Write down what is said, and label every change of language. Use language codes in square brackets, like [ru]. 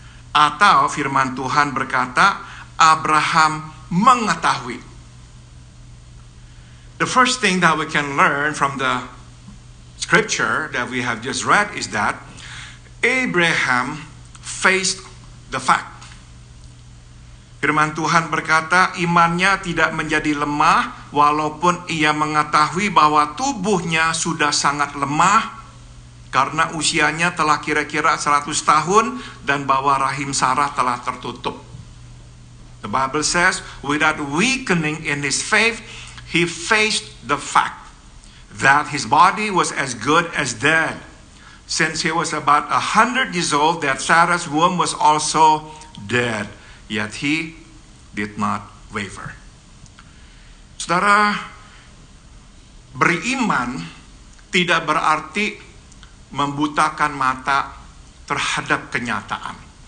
[id] Atau firman Tuhan berkata Abraham mengetahui. [en] The first thing that we can learn from the scripture that we have just read is that Abraham faced the fact. [id] Firman Tuhan berkata imannya tidak menjadi lemah walaupun ia mengetahui bahwa tubuhnya sudah sangat lemah karena usianya telah kira-kira 100 tahun dan bahwa rahim Sarah telah tertutup. [en] The Bible says without weakening in his faith, he faced the fact that his body was as good as dead. Since he was about 100 years old, that Sarah's womb was also dead. Yet he did not waver. [id] Saudara, beriman tidak berarti membutakan mata terhadap kenyataan.